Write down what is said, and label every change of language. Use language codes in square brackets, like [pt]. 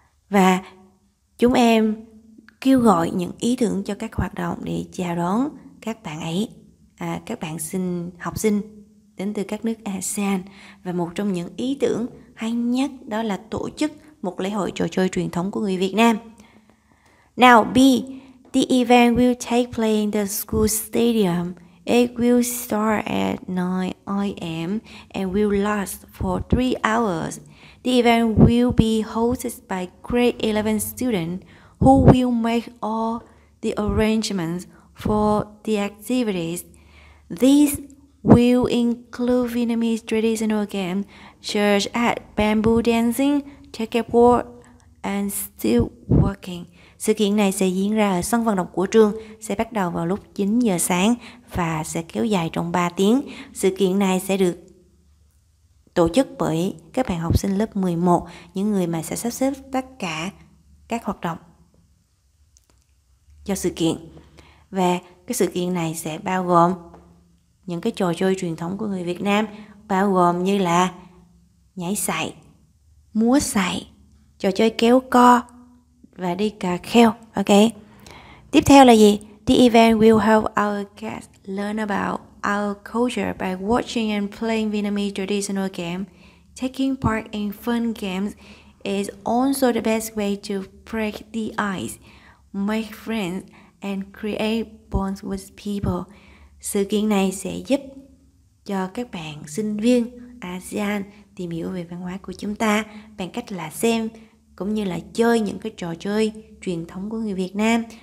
[vi] Và chúng em kêu gọi những ý tưởng cho các hoạt động để chào đón các bạn ấy, các bạn sinh học sinh đến từ các nước ASEAN. Và một trong những ý tưởng hay nhất đó là tổ chức một lễ hội trò chơi truyền thống của người Việt Nam. [en] Now B, the event will take place in the school stadium. It will start at 9 a.m. and will last for 3 hours. The event will be hosted by grade 11 students who will make all the arrangements for the activities. These will include Vietnamese traditional games, such as bamboo dancing, checkerboard, and steel working. [vi] Sự kiện này sẽ diễn ra ở sân vận động của trường, sẽ bắt đầu vào lúc 9 giờ sáng và sẽ kéo dài trong 3 tiếng. Sự kiện này sẽ được tổ chức bởi các bạn học sinh lớp 11, những người mà sẽ sắp xếp tất cả các hoạt động cho sự kiện. Và cái sự kiện này sẽ bao gồm những cái trò chơi truyền thống của người Việt Nam, bao gồm như là nhảy sải, múa sải, trò chơi kéo co và đi cà kheo. Ok, tiếp theo là gì? [en] The event will help our guests learn about our culture by watching and playing Vietnamese traditional games. Taking part in fun games is also the best way to break the ice, make friends and create bonds with people. [vi] Sự kiện này sẽ giúp cho các bạn sinh viên ASEAN tìm hiểu về văn hóa của chúng ta bằng cách là xem cũng như là chơi những cái trò chơi truyền thống của người Việt Nam.